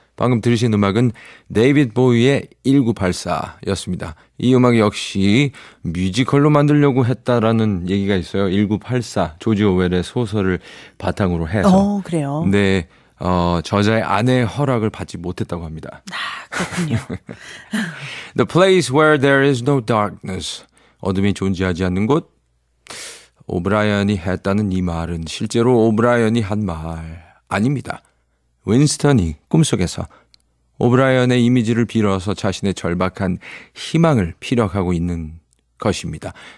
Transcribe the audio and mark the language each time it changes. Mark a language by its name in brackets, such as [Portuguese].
[Korean] 방금 들으신 음악은 데이빗 보위의 1984였습니다. 이 음악 역시 뮤지컬로 만들려고 했다라는 얘기가 있어요. 1984, 조지 오웰의 소설을 바탕으로 해서. 그래요? 네. 저자의 아내의 허락을 받지 못했다고 합니다. 아, 그렇군요. [English] The place where there is no darkness. [Korean] 어둠이 존재하지 않는 곳. 오브라이언이 했다는 이 말은 실제로 오브라이언이 한 말 아닙니다. 윈스턴이 꿈속에서 오브라이언의 이미지를 빌어서 자신의 절박한 희망을 피력하고 있는 것입니다.